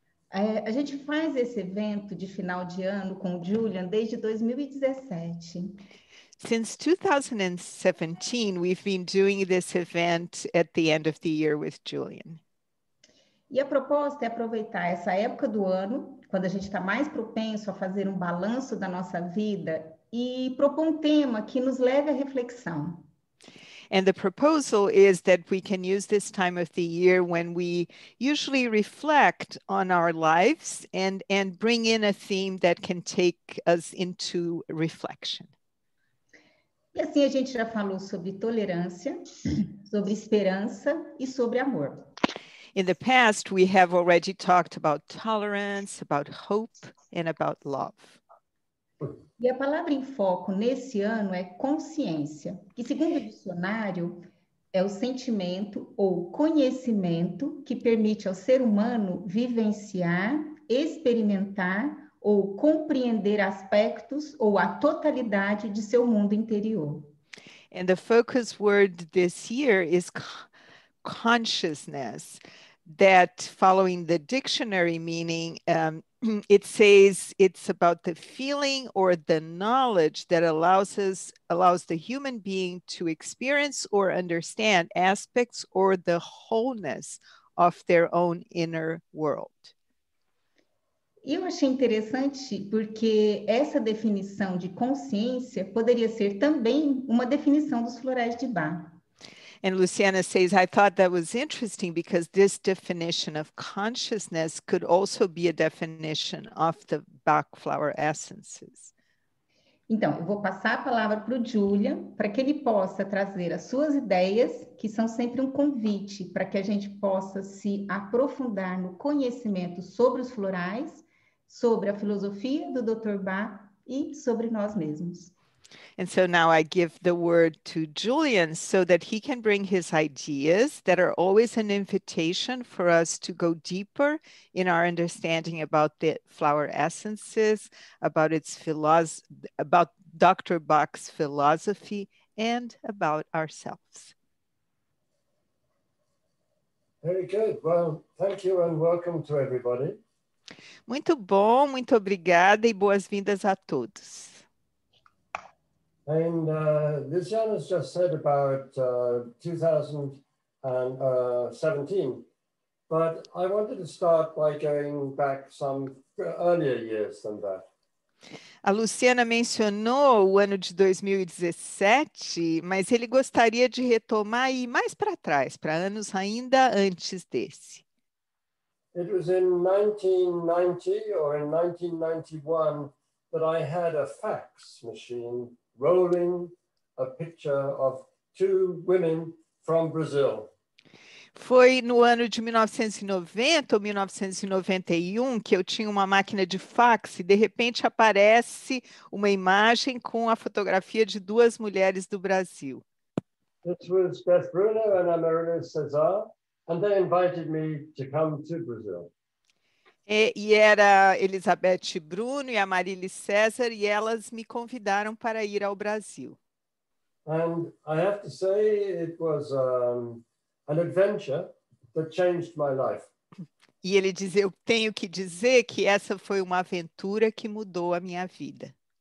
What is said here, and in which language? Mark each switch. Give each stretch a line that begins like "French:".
Portuguese: A gente faz esse evento de final de ano com o Julian desde 2017.
English: Since 2017, we've been doing this event at the end of the year with Julian.
Portuguese: E a proposta é aproveitar essa época do ano, quando a gente está mais propenso a fazer um balanço da nossa vida, e propor um tema que nos leve à reflexão.
English: And the proposal is that we can use this time of the year when we usually reflect on our lives and bring in a theme that can take us into reflection.
Portuguese: E assim a gente já falou sobre tolerância, sobre esperança e sobre amor.
English: In the past, we have already talked about tolerance, about hope, and about love.
Portuguese: E a palavra em foco nesse ano é consciência, que segundo o dicionário, é o sentimento ou conhecimento que permite ao ser humano vivenciar, experimentar ou compreender aspectos ou a totalidade de seu mundo interior.
English: And the focus word this year is consciousness, that following the dictionary meaning, it says it's about the feeling or the knowledge that allows the human being to experience or understand aspects or the wholeness of their own inner world.
Portuguese: E eu achei interessante porque essa definição de consciência poderia ser também uma definição dos florais de Bach.
English: And Luciana says, I thought that was interesting because this definition of consciousness could also be a definition of the Bach flower essences.
Portuguese: Então, eu vou passar a palavra para o Julian, para que ele possa trazer as suas ideias, que são sempre um convite para que a gente possa se aprofundar no conhecimento sobre os florais, sobre a filosofia do Dr. Bach e sobre nós mesmos.
English: And so now I give the word to Julian so that he can bring his ideas that are always an invitation for us to go deeper in our understanding about the flower essences, about Dr. Bach's philosophy, and about ourselves. Very good. Well, thank you and welcome to everybody.
Portuguese: Muito bom, muito obrigada e boas-vindas a todos.
English: And Luciana has just said about 2017, but I wanted to start by going back some earlier years than that.
Portuguese: A Luciana mencionou o ano de 2017, mas ele gostaria de retomar e ir mais para trás, para anos ainda antes desse.
English: It was in 1990 or in 1991 that I had a fax machine rolling a picture of two women from Brazil.
Portuguese: Foi no ano de 1990 ou 1991 que eu tinha uma máquina de fax e de repente aparece uma imagem com a fotografia de duas mulheres do Brasil.
English: This was Beth Bruno and Amarilo Cesar, and they invited me to come to Brazil.
Portuguese: E era Elizabeth Bruno e Amarilis César, e elas me convidaram para ir ao Brasil.
English: And I have to say, it was an adventure that changed my life.
Portuguese: E ele diz, eu tenho que dizer que essa foi uma aventura que mudou a minha vida.